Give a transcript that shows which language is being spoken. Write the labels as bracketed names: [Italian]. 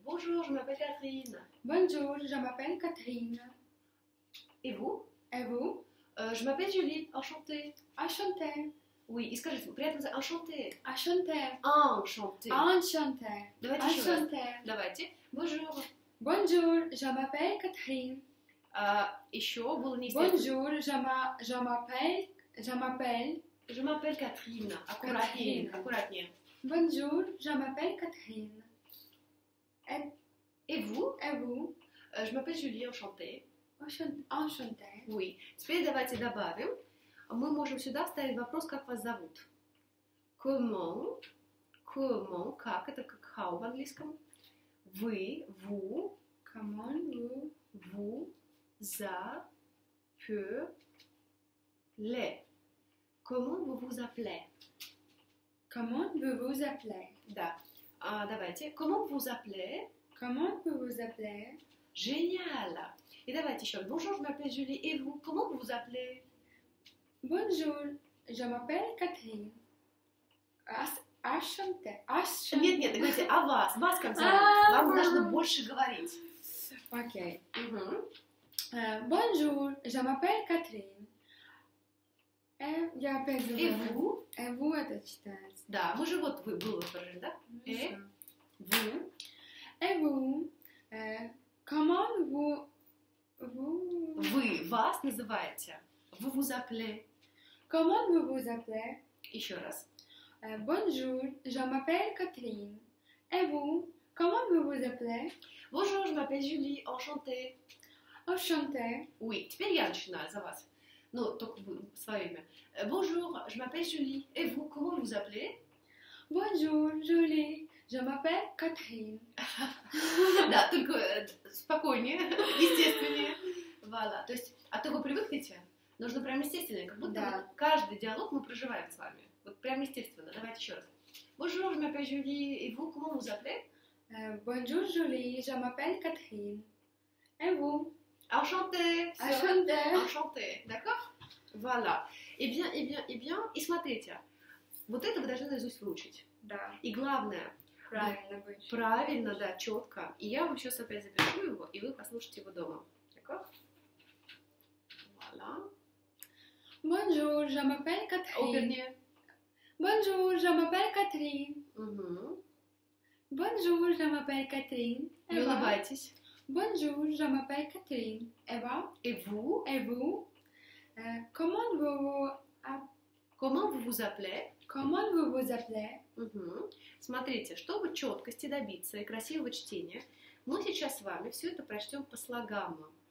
[French] Bonjour, je m'appelle Catherine. Bonjour, je m'appelle Catherine. Et vous? Et vous? Je m'appelle Julie. Enchantée. Enchantée. [Russian] Oui, и скажите, при этом за enchantée. [French] Enchantée. Enchantée. Enchantée. [Russian] Давайте [French] enchantée. [Russian] Еще раз. Давайте. Bonjour. [French] Bonjour, je m'appelle Catherine. [Russian] Еще было не сделано. [French] Bonjour, je m'appelle, je m'appelle. Je m'appelle Catherine. [Russian] Аккуратнее, аккуратнее. [French] Bonjour, je m'appelle Catherine. Et vous? Et vous? Je m'appelle Julie, enchantée. Enchantée. Oui. [Russian] Теперь давайте добавим. Мы можем сюда вставить вопрос, как вас зовут. [French] Comment? Comment? Как? [Russian] Это как how в английском. Вы, ву, [French] comment vous, vous, за, peu, le. Comment vous vous appelez? Comment vous vous appelez? [Russian] Да. А, давайте. [French] Comment vous appelez? Comment vous vous appelez? Génial! [Russian] Et давайте еще. [French] Bonjour, je m'appelle Julie. Et vous, comment vous vous appelez? Bonjour, je m'appelle Catherine. Enchanté. [Russian] Нет, нет, говорите, а вас, вас как зовут? Вам нужно больше говорить. Окей. [French] Bonjour, je m'appelle Catherine. [Russian] Я опять зову. [French] Et vous? Et vous [Russian] это читается. Да, мы же вот вы было выражено, да? [French] Et vous? Comment vous? [Russian] Вы вас называете? [French] Vous vous appelez? Comment vous vous appelez? [Russian] Еще раз. [French] Bonjour, je m'appelle Catherine. Et vous, comment vous vous appelez? Bonjour, je m'appelle Julie. Enchantée. Enchantée. [Russian] Oui, теперь я начинаю за вас. Ну, только вы, свое имя. [French] Bonjour, je m'appelle Julie. Et vous, comment vous appelez? Bonjour, Julie. Je m'appelle Catherine. [Russian] Да, только спокойнее, естественнее. [French] Voilà. [Russian] То есть, а то вы привыкнете? Нужно прям естественно, как будто каждый диалог мы проживаем с вами. Прямо естественно. Давайте еще раз. [French] Bonjour, je m'appelle Julie. Et vous, comment vous appelez? Bonjour, Julie. Je m'appelle Catherine. Et vous? Enchantée. Enchantée. Enchantée. D'accord? Voilà. Et bien, et bien, et bien. [Russian] И смотрите. Вот это вы должны наизусть выучить. Да. И главное. Правильно выучить. Правильно, да, четко. И я вам сейчас опять запишу его, и вы послушайте его дома. [French] D'accord? Voilà. Bonjour, je m'appelle Catherine. Bonjour, je m'appelle Catherine. Bonjour, je m'appelle Catherine. [Russian] Не улыбайтесь. [French] Bonjour, je m'appelle Catherine. Eva. Et vous? Et vous? Comment vous? Comment vous vous appelez? Comment vous vous appelez? [Russian] Смотрите, чтобы четкости добиться и красивого чтения, мы сейчас с вами все это прочтем по слогам.